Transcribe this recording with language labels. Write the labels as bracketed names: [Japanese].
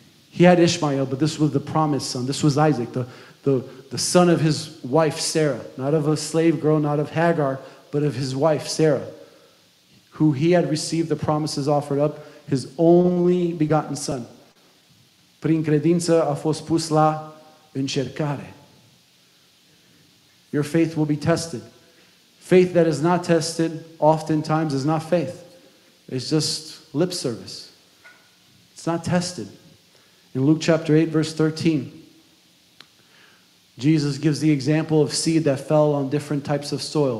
[English] He had Ishmael, but this was the promised son. This was Isaac, the son of his wife, Sarah. Not of a slave girl, not of Hagar, but of his wife, Sarah, who he had received the promises offered up, his only begotten son. [Romanian] Prin credință a fost pus la încercare. [English] Your faith will be tested. Faith that is not tested oftentimes is not faith. It's just lip service. It's not tested. In Luke chapter 8, verse 13, Jesus gives the example of seed that fell on different types of soil.